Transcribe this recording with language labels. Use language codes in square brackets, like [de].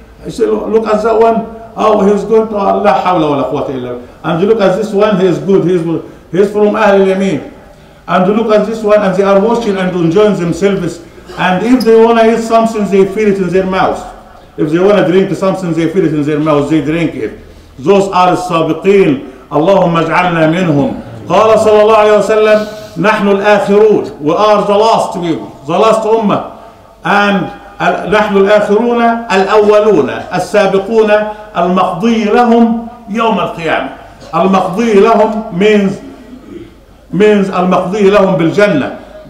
[en] I say, look at that one, oh, he's going to Allah, hawla wa la quwwata illa billah. And look at this one, he is good, he's from Ahl al-Yameen. And look at this one, and they are watching and enjoying themselves. And if they want to eat something, they feel it in their mouth. If they want to drink something, they feel it in their mouth, they drink it. Those are the sabiqeen. Allahumma aj'alna minhum. [ar] قال صلى الله عليه وسلم نحن الآخرون. [en] We are the last people, the last ummah. [ar] And نحن الآخرون الأولون السابقون المقضي لهم يوم القيامة. المقضي لهم means المقضي لهم بالجنة.